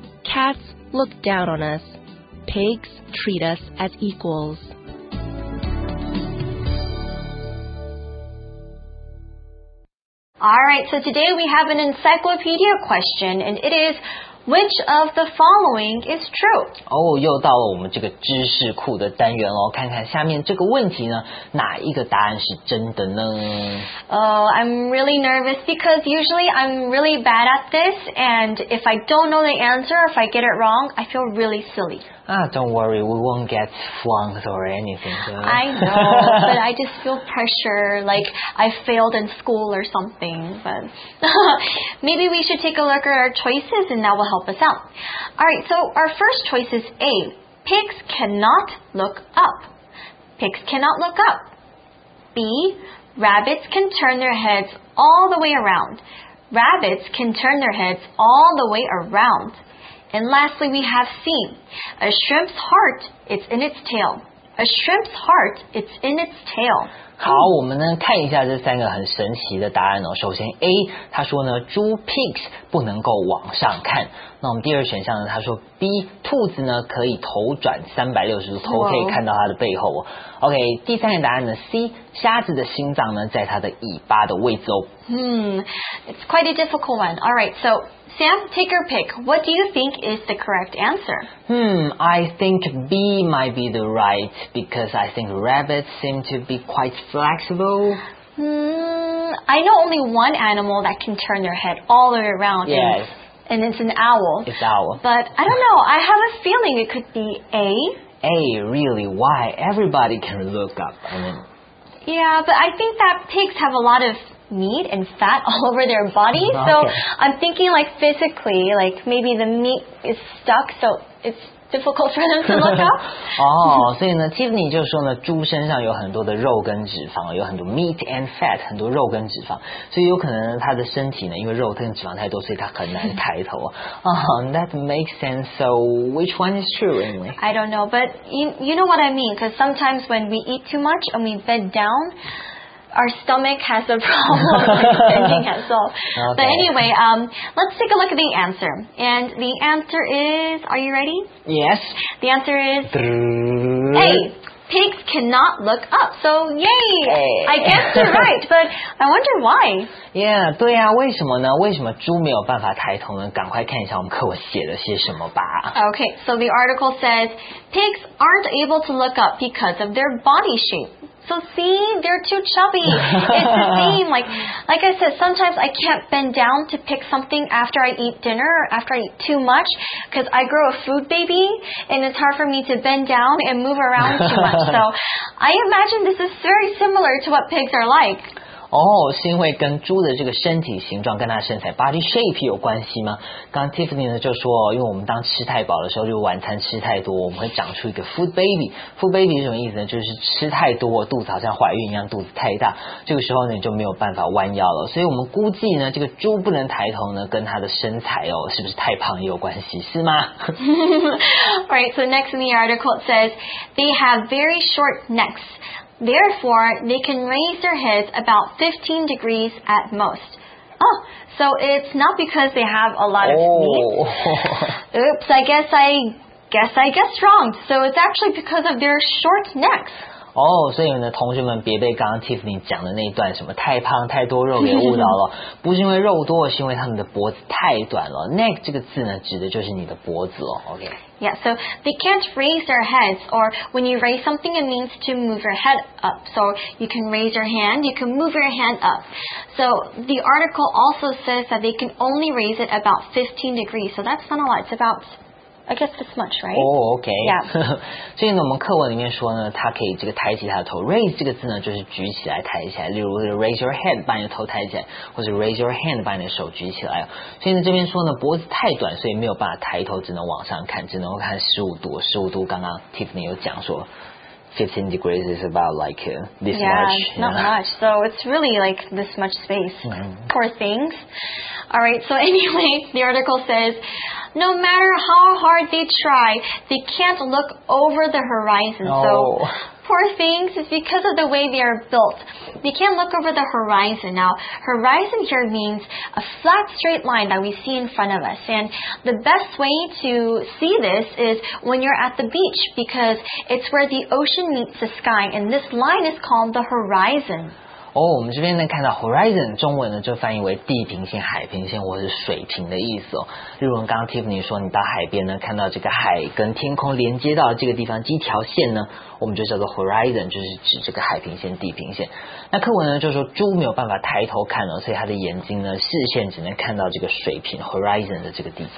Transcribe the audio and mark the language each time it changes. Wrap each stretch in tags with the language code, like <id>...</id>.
<en>Cats look down on us. Pigs treat us as equals. All right, so today we have an encyclopedia question, and it is, which of the following is true?</en> <zh>又到了我们这个知识库的单元咯，看看下面这个问题呢，哪一个答案是真的呢？</zh> <en>I'm really nervous because usually I'm really bad at this, and if I don't know the answer, if I get it wrong, I feel really silly. Don't worry, we won't get flunked or anything. So. I know, but I just feel pressure, like I failed in school or something. But maybe we should take a look at our choices and that will help us out. All right, so our first choice is A, pigs cannot look up. Pigs cannot look up. B, rabbits can turn their heads all the way around. Rabbits can turn their heads all the way around. And lastly, we have C. A shrimp's heart, it's in its tail. A shrimp's heart, it's in its tail.</en> <zh>好，我们呢看一下这三个很神奇的答案哦。首先 A, 他说呢，猪 pigs 不能够往上看。那我们第二选项呢，他说 B, 兔子呢可以头转360度，头可以看到它的背后哦。 OK, 第三个答案呢 C, 虾子的心脏呢在它的尾巴的位置哦。</zh> <en>It's quite a difficult one. All right, so... Sam, take your pick. What do you think is the correct answer? I think B might be the right because I think rabbits seem to be quite flexible. I know only one animal that can turn their head all the way around. Yes. And it's an owl. It's owl. But I don't know. I have a feeling it could be A. A, really? Why? Everybody can look up. I mean, yeah, but I think that pigs have a lot of... meat and fat all over their body. So okay. I'm thinking like physically, like maybe the meat is stuck, so it's difficult for them to look up.</en> <zh>所以呢 Tiffany 就说呢，猪身上有很多的肉跟脂肪，有很多 meat and fat, 很多肉跟脂肪，所以有可能它的身体呢，因为肉跟脂肪太多，所以它很难抬头。</zh> <en>That makes sense. So which one is true anyway? I don't know, but you know what I mean, because sometimes when we eat too much and we bed down,Our stomach has a problem bending as well. But anyway, let's take a look at the answer. And the answer is, are you ready? Yes. The answer is A. Pigs cannot look up. So, yay! Okay. I guess you're right, but I wonder why.</en> <zh>Yeah, 对啊，为什么呢？为什么猪没有办法抬头呢？赶快看一下我们课文写了些什么吧。</zh> <en>Okay, so the article says, pigs aren't able to look up because of their body shape. So see, they're too chubby. It's the same. Like I said, sometimes I can't bend down to pick something after I eat dinner or after I eat too much because I grow a food baby and it's hard for me to bend down and move around too much. So I imagine this is very similar to what pigs are like.</en> <zh>哦，是因为跟猪的这个身体形状跟它身材 body shape 有关系吗？刚 Tiffany 呢就说，因为我们当吃太饱的时候，就晚餐吃太多，我们会长出一个 food baby。 food baby 是什么意思呢？就是吃太多，肚子好像怀孕一样，肚子太大，这个时候呢就没有办法弯腰了。所以我们估计呢，这个猪不能抬头呢，跟它的身材哦是不是太胖也有关系，是吗？</zh> <en>Alright, so next in the article it says they have very short necks. Therefore, they can raise their heads about 15 degrees at most. Oh, so it's not because they have a lot of meat. Oops, I guess I guessed wrong. So it's actually because of their short necks.</en> <zh>哦、 oh, ，所以呢，同学们别被刚刚 Tiffany 讲的那一段什么太胖太多肉给误导了，不是因为肉多，是因为他们的脖子太短了。 Neck 这个字呢，指的就是你的脖子哦。</zh> <en>OK。 Yeah, so they can't raise their heads, or when you raise something, it means to move your head up. So you can raise your hand, you can move your hand up. So the article also says that they can only raise it about 15 degrees. So that's not a lot. It's aboutI guess this much, right? Oh, okay. Yeah.</en> <zh>所以呢，我们课文里面说呢，他可以这个抬起他的头。Raise 这个字呢，就是举起来、抬起来。例如 ， raise your head，把你的头抬起来，或者 raise your hand，把你的手举起来。所以呢，这边说呢，脖子太短，所以没有办法抬头，只能往上看，只能看15度。 15度，刚刚 Tiffany 有讲说 ， 15 degrees is about like this much.</zh> <en>Yeah, not much. So it's really like this much space. Poor things. All right. So anyway, the article says. No matter how hard they try, they can't look over the horizon. No. So, poor things, it's because of the way they are built. They can't look over the horizon. Now, horizon here means a flat, straight line that we see in front of us. And the best way to see this is when you're at the beach, because it's where the ocean meets the sky, and this line is called the horizon.</en> <zh>哦、 oh, ，我们这边能看到 horizon， 中文呢就翻译为地平线、海平线或者是水平的意思哦。例如刚刚 Tiffany 说，你到海边呢看到这个海跟天空连接到这个地方，这条线呢，我们就叫做 horizon， 就是指这个海平线、地平线。那课文呢就说猪没有办法抬头看了，所以它的眼睛呢视线只能看到这个水平 horizon 的这个地方。</zh>